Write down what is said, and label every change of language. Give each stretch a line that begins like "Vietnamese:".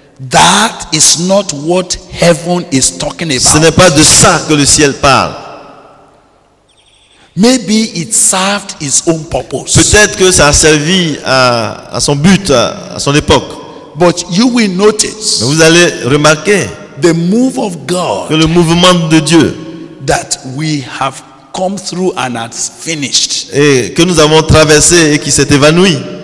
English: That is not what heaven is talking about.
French: Ce n'est pas de ça que le ciel parle.
English: Maybe it served its own purpose.
French: Peut-être que ça a servi à son but à son époque.
English: But you will notice.
French: Mais vous allez remarquer
English: the move of God.
French: Que le mouvement de Dieu
English: that we have come through and has finished.
French: Et que nous avons traversé et qui s'est évanoui.